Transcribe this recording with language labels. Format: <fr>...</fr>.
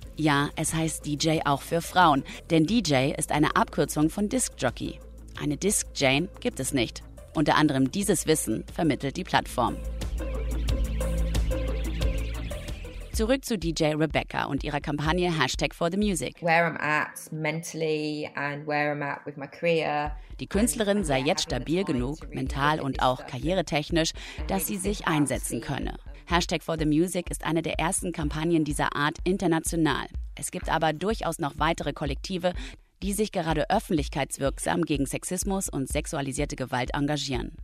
<de>Ja, es heißt DJ auch für Frauen, denn DJ ist eine Abkürzung von Disc Jockey. Eine Disc Jane gibt es nicht. Unter anderem dieses Wissen vermittelt die Plattform. Zurück zu DJ Rebecca und ihrer Kampagne #ForTheMusic.</de> <en>Where I'm at mentally and where I'm at with my career.</en> <de>Die Künstlerin sei jetzt stabil genug, mental und auch karrieretechnisch, dass sie sich einsetzen könne. #ForTheMusic ist eine der ersten Kampagnen dieser Art international. Es gibt aber durchaus noch weitere Kollektive, die sich gerade öffentlichkeitswirksam gegen Sexismus und sexualisierte Gewalt engagieren.</de>